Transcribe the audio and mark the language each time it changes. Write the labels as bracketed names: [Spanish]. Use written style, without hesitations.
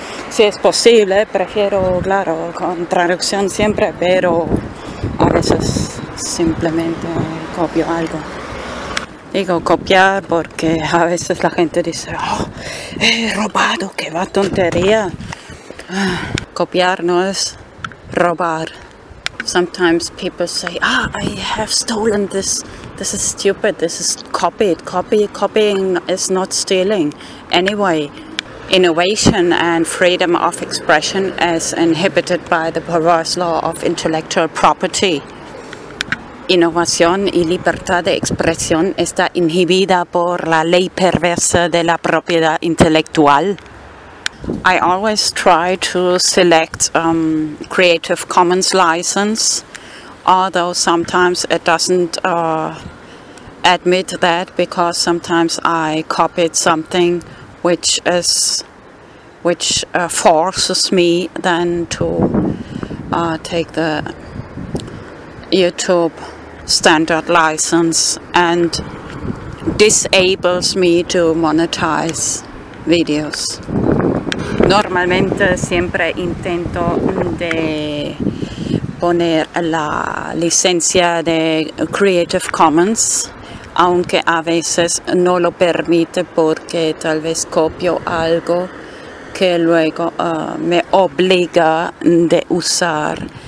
[Spanish] Si es posible, prefiero, claro, con traducción siempre, pero a veces simplemente copio algo. Digo copiar porque a veces la gente dice, oh, he robado, qué va tontería. Copiar no es robar. [English] Sometimes people say, ah, I have stolen this. This is stupid. This is copied. Copying is not stealing. Anyway, innovation and freedom of expression is inhibited by the perverse law of intellectual property. [Spanish] Innovación y libertad de expresión está inhibida por la ley perversa de la propiedad intelectual. [English] I always try to select Creative Commons license, although sometimes it doesn't admit that, because sometimes I copied something which forces me then to take the YouTube standard license and disables me to monetize videos. [Spanish] Normalmente siempre intento de poner la licencia de Creative Commons, aunque a veces no lo permite porque tal vez copio algo que luego me obliga de usar